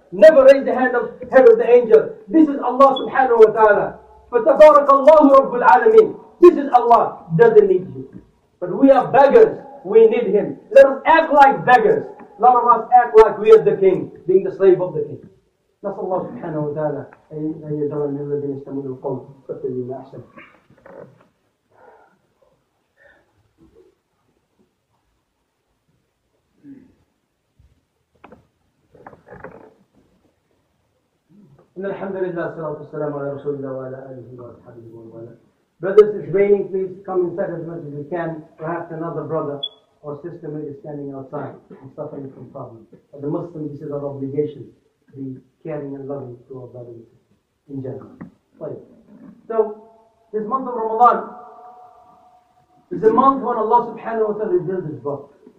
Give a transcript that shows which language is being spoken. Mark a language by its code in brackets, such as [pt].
[en] Never raise the head of the angel. This is Allah subhanahu wa ta'ala. [ar] Fatabarakallahu rabbul alameen. [en] This is Allah. Doesn't need you. But we are beggars. We need Him. Let us act like beggars. Let us act like we are the king, being the slave of the king. [ar] نسأل الله سبحانه وتعالى أن يجعلنا من الذين يستمعون القول فيتبعون أحسنه. إن الحمد لله والصلاة والسلام على رسول الله وعلى آله وصحبه وسلم. [en] Brothers, it's raining. Please come inside as much as you can. Perhaps another brother or sister is standing outside and suffering from problems. But the Muslim, this is our obligation. Be caring and loving to our brothers in general. So this month of Ramadan is a month when Allah subhanahu wa ta'ala revealed this book.